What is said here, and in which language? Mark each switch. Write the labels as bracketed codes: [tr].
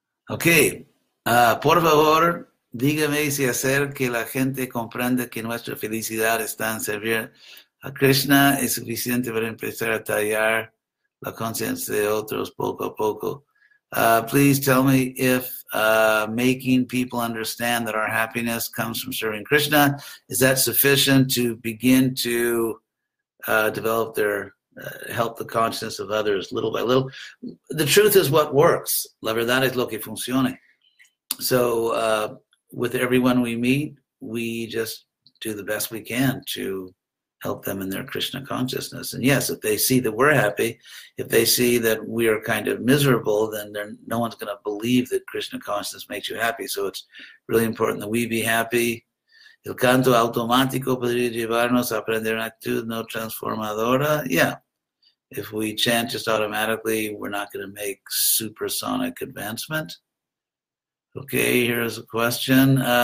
[es] Okay, por favor, dígame si hacer que la gente comprenda que nuestra felicidad está en servir a Krishna es suficiente para empezar a tallar la conciencia de otros poco a poco. [en] Please tell me if making people understand that our happiness comes from serving Krishna, is that sufficient to begin to develop their help the consciousness of others little by little? The truth is what works. [es] La verdad es lo que funciona. [en] So with everyone we meet, we just do the best we can to help them in their Krishna consciousness. And yes, if they see that we're happy, if they see that we are kind of miserable, then no one's going to believe that Krishna consciousness makes you happy. So it's really important that we be happy. [es] El canto automático podría llevarnos a aprender una actitud no transformadora. [en] Yeah, if we chant just automatically, we're not going to make supersonic advancement. Okay, here's a question.